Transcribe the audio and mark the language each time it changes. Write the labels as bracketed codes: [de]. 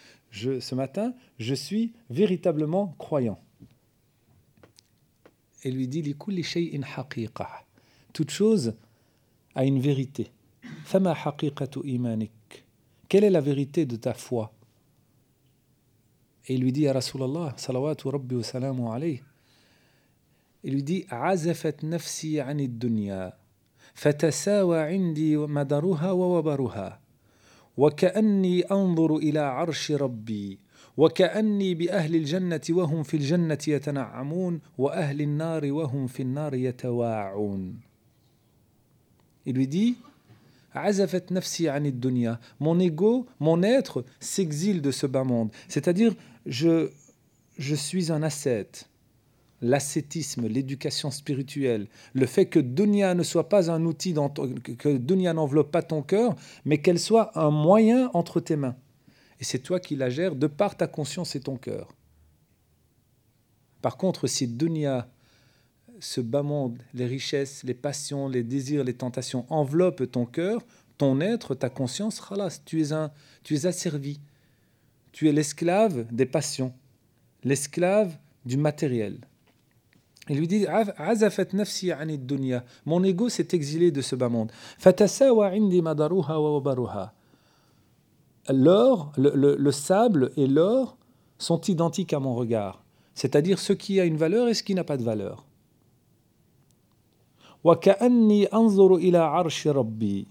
[fr] Ce matin, je suis véritablement croyant. Et lui dit, [ar] لِكُلِّ شَيْءٍ حَقِيقَةٍ. [fr] Toute chose a une vérité. [ar] فَمَا حَقِيقَةُ إِيمَانِكَ. [fr] Quelle est la vérité de ta foi? Et il lui dit, [ar] يَا رَسُولَ اللَّهِ صَلَوَاتُ رَبِّي وَسَلَامُ عَلَيْهِ. [fr] Il lui dit, [ar] عَزَفَتْ نَفْسِي عَنِ الدُّنْيَا فَتَسَاوَ عِنْدِي مَدَرُهَا وَوَبَرُهَا وَكَأَنِّي أَنْظُرُ إِلَى عَرْشِ رَبِّي وَكَأَنِّي بِأَهْلِ الْجَنَّةِ وَهُمْ فِي الْجَنَّةِ يَتَنَعَّمُونَ وَأَهْلِ النَّارِ وَهُمْ فِي النَّارِ يَتَوَاعُونَ. Il lui dit, عَزَفَتْ نَفْسِي عَنِ الدُّنْيَا. [fr] Mon ego, mon être, s'exile de ce bas monde. C'est-à-dire, je suis un ascète. L'ascétisme, l'éducation spirituelle, le fait que dunya ne soit pas un outil, que dunya n'enveloppe pas ton cœur, mais qu'elle soit un moyen entre tes mains. Et c'est toi qui la gères de par ta conscience et ton cœur. Par contre, si dunya, ce bas monde, les richesses, les passions, les désirs, les tentations enveloppent ton cœur, ton être, ta conscience, khalas, tu es asservi. Tu es l'esclave des passions, l'esclave du matériel. Il lui dit, [ar] عَزَفَتْ نَفْسِي عَنِ الدُّنْيَا. [fr] Mon ego s'est exilé de ce bas monde. [ar] فَتَسَاوَ عِنْدِي مَدَرُهَا وَوَبَرُهَا. [fr] L'or, le sable et l'or sont identiques à mon regard. C'est-à-dire ce qui a une valeur et ce qui n'a pas de valeur. [ar] وَكَأَنِّي أَنْظُرُ إِلَى عَرْشِ رَبِّي.